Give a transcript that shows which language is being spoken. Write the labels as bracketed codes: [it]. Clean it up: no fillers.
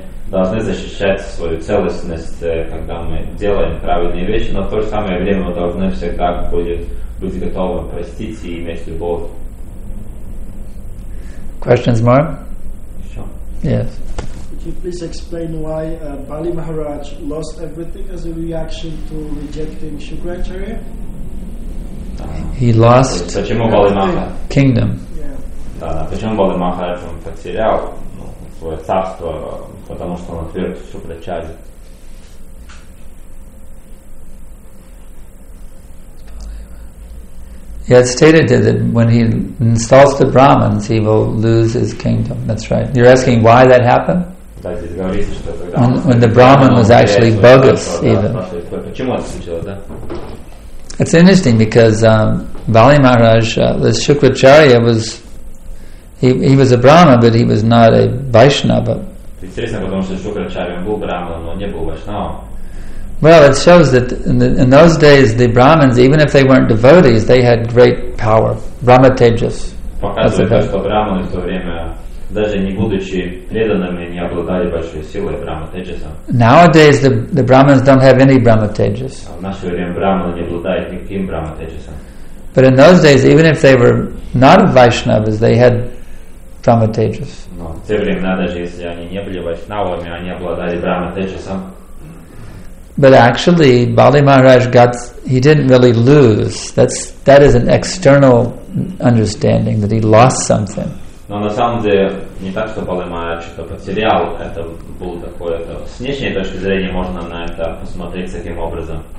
[ru] Должны защищать свою целостность, когда мы делаем правильные вещи, но в то же самое время мы должны всегда быть готовы простить и иметь любовь. [en] Questions, Mark? Sure. Yes. Could you please explain why Bali Maharaj lost everything as a reaction to rejecting Shukracharya? He lost [ru] почему Bali Maharaj? [en] Kingdom. Yeah. [ru] Да, почему Bali Maharaj потерял свое царство? Потому что он отверг Шукрачарью. [en] Yeah, it's stated that when he insults the Brahmins, he will lose his kingdom. That's right. You're asking why that happened? [ru] Да, здесь говорится, что когда [en] when the Brahmin was actually bogus, even. [ru] Почему это случилось, да? [en] It's interesting because Bali Maharaj, the Shukracharya was he was a Brahmin, but he was not a Vaishnava. [ru] Интересно, потому что Шукрачарья был Брахман, но не был Вайшнава. [en] Well, it shows that in those days the Brahmins, even if they weren't devotees, they had great power. Brahma Tejas. [ru] Показывает то, что Брахманы в то время, даже не будучи преданными, не обладали большой силой Брахма Теджаса. [en] Nowadays the Brahmins don't have any Брахма Теджас. [ru] В наше время Брахманы не обладают никаким Брахма Теджасом. [en] But in those days, even if they were not Vaishnavas, they had Brahma Tejas. [ru] В те времена, даже если они не были вайшнавами, они обладали Брахма Теджасом. [en] But actually, Bali Maharaj got, he didn't really lose. That is an external understanding, that he lost something. [ru] Но на самом деле, не так, что Бали Махарадж что-то потерял, это было такое-то. С внешней точки зрения можно на это посмотреть таким образом.